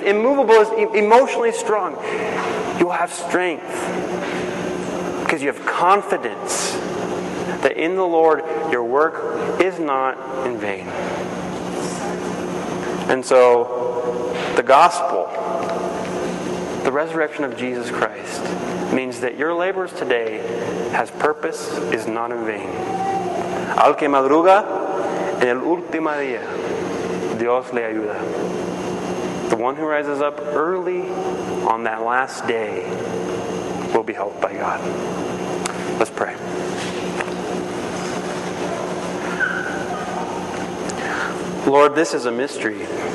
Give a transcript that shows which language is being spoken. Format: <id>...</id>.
<en>Immovable is emotionally strong. You'll have strength because you have confidence that in the Lord your work is not in vain. And so, the gospel, the resurrection of Jesus Christ, means that your labors today has purpose, is not in vain.</en> <es>Al que madruga, en el último día, Dios le ayuda.</es> <en>The one who rises up early on that last day will be helped by God. Let's pray. Lord, this is a mystery.</en>